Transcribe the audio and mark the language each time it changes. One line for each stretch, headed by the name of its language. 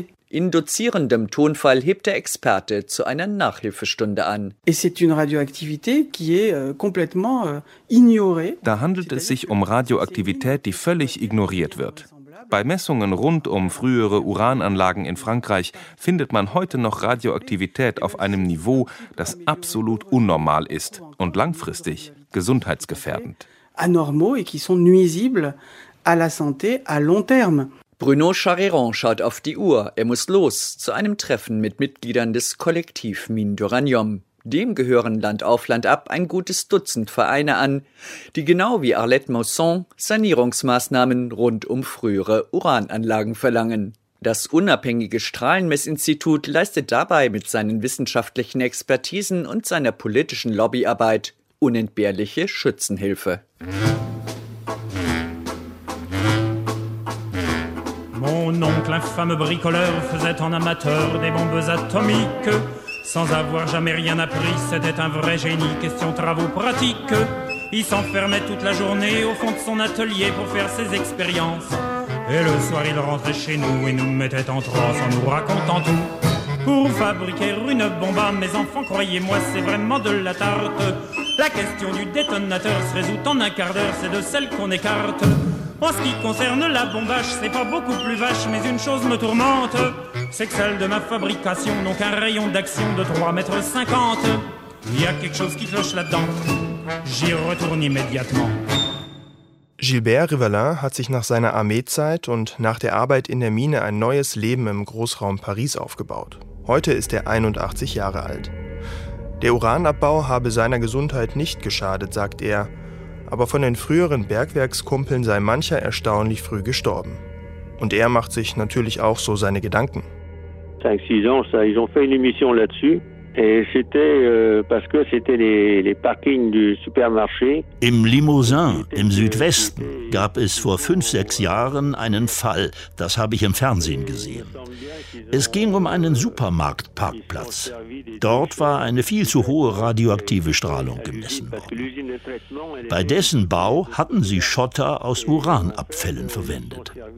German: Induzierendem Tonfall hebt der Experte zu einer Nachhilfestunde an.
French: Et c'est une radioactivité qui est complètement ignorée.
German: Da handelt es sich um Radioaktivität, die völlig ignoriert wird. Bei Messungen rund um frühere Urananlagen in Frankreich findet man heute noch Radioaktivität auf einem Niveau, das absolut unnormal ist und langfristig gesundheitsgefährdend.
French: Anormaux et qui sont nuisibles à la santé à long terme.
German: Bruno Chariron schaut auf die Uhr. Er muss los zu einem Treffen mit Mitgliedern des Kollektiv Mine d'Uranium. Dem gehören Land auf Land ab ein gutes Dutzend Vereine an, die genau wie Arlette Mausson Sanierungsmaßnahmen rund um frühere Urananlagen verlangen. Das unabhängige Strahlenmessinstitut leistet dabei mit seinen wissenschaftlichen Expertisen und seiner politischen Lobbyarbeit unentbehrliche Schützenhilfe.
French: Mon oncle, infâme bricoleur, faisait en amateur des bombes atomiques. Sans avoir jamais rien appris, c'était un vrai génie, question travaux pratiques. Il s'enfermait toute la journée au fond de son atelier pour faire ses expériences. Et le soir, il rentrait chez nous et nous mettait en transe en nous racontant tout. Pour fabriquer une bombe, mes enfants, croyez-moi, c'est vraiment de la tarte. La question du détonateur se résout en un quart d'heure, c'est de celle qu'on écarte. En ce qui concerne la bombache, c'est pas beaucoup plus vache, mais une chose me tourmente, c'est que celle de ma fabrication n'ont qu'un rayon d'action de 3,50 m. Il y a quelque chose qui cloche là-dedans, j'y retourne immédiatement.
German: Gilbert Rivalin hat sich nach seiner Armeezeit und nach der Arbeit in der Mine ein neues Leben im Großraum Paris aufgebaut. Heute ist er 81 Jahre alt. Der Uranabbau habe seiner Gesundheit nicht geschadet, sagt er. Aber von den früheren Bergwerkskumpeln sei mancher erstaunlich früh gestorben. Und er macht sich natürlich auch so seine Gedanken.
French: 5-6 ans, ça, ils ont fait une émission là-dessus. Et c'était parce que c'était les parkings du supermarché.
German: Im Limousin, im Südwesten, gab es vor 5-6 Jahren einen Fall. Das habe ich im Fernsehen gesehen. Es ging um einen Supermarktparkplatz. Dort war eine viel zu hohe radioaktive Strahlung gemessen worden. Bei dessen Bau hatten sie Schotter aus Uranabfällen verwendet.